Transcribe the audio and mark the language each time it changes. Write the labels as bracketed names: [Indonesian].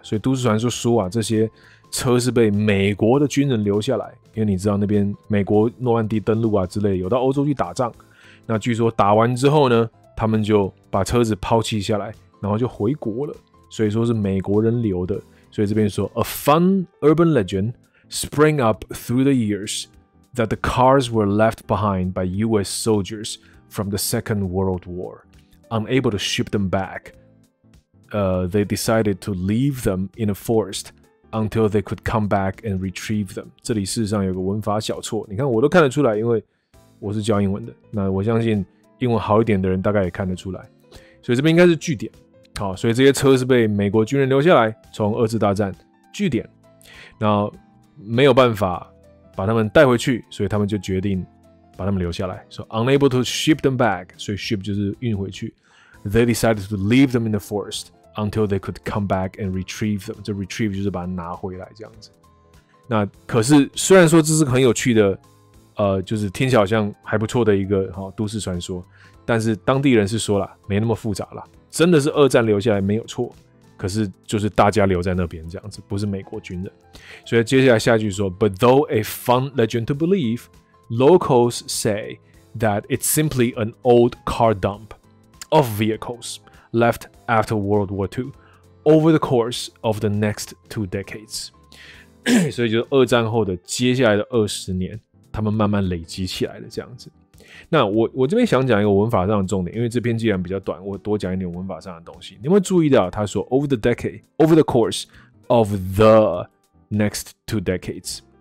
[Chinese] 所以都市传说说啊，这些车是被美国的军人留下来。因为你知道那边美国诺曼底登陆啊之类的，有到欧洲去打仗，那据说打完之后呢，他们就把车子抛弃下来，然后就回国了，所以说是美国人留的。所以这边说 [English] A fun urban legend sprang up through the years that the cars were left behind by US soldiers from the Second World War. Unable to ship them back, they decided to leave them in a forestUntil they could come back and retrieve them. [Chinese] 这里事实上有个文法小错，你看我都看得出来，因为我是教英文的。那我相信英文好一点的人大概也看得出来。所以这边应该是据点。好，所以这些车是被美国军人留下来，从二次大战据点，然后没有办法把他们带回去，所以他们就决定把他们留下来。 [English] So unable to ship them back, [Chinese] 所以 ship 就是运回去。 [English] They decided to leave them in the forest. Until they could come back and retrieve them. [Chinese] 这 retrieve 就是把它拿回来这样子。那可是虽然说这是很有趣的就是听起来好像还不错的一个、哦、都市传说。但是当地人是说了没那么复杂啦。真的是二战留下来没有错。可是就是大家留在那边这样子，不是美国军人。所以接下来下一句说 [English] ,But though a fun legend to believe, locals say that it's simply an old car dump of vehicles. Left after World War II, over the course of the next two decades. [Chinese] 所以就是二战后的接下来的二十年，他们慢慢累积起来的这样子。那我这边想讲一个文法上的重点，因为这篇既然比较短，我多讲一点文法上的东西。你有没有注意到他说 [English] over the decade, over the course of the next two decades?